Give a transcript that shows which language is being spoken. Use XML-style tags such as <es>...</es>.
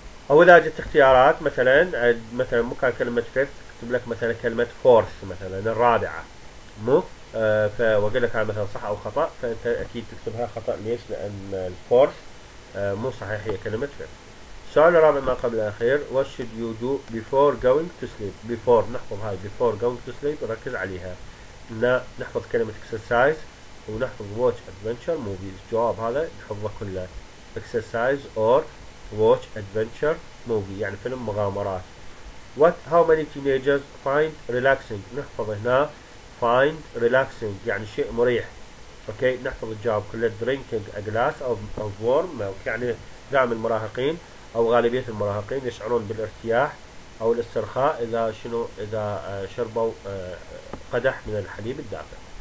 <ar>او اذا جت اختيارات مثلا مثلا مكان كلمة fifth اكتب لك مثلا كلمة fourth مثلا الرابعة مو فاقول لك هذا مثلا صح او خطا، فانت اكيد تكتبها خطا، ليش؟ لان الفورث مو صحيح هي كلمه فعل. السؤال الرابع ما قبل الاخير،</ar> <en>what should you do before going to sleep؟</en> <ar>before نحفظ هاي</ar> <en>before going to sleep</en> <ar>ركز عليها، نحفظ كلمه اكسرسايز ونحفظ</ar> <en>watch adventure movies،</en> <ar>الجواب هذا نحفظه كله</ar> <en>exercise or watch adventure movie</en> <ar>يعني فيلم مغامرات.</ar> <en>what how many teenagers find relaxing؟</en> <ar>نحفظ هنا</ar> <en>find relaxing</en> <ar>يعني شيء مريح اوكي، نحفظ الجواب كله</ar> <en>drinking a glass of warm milk</en> <ar>يعني دائما المراهقين او غالبيه المراهقين يشعرون بالارتياح او الاسترخاء اذا شنو اذا شربوا قدح من الحليب الدافئ.</ar>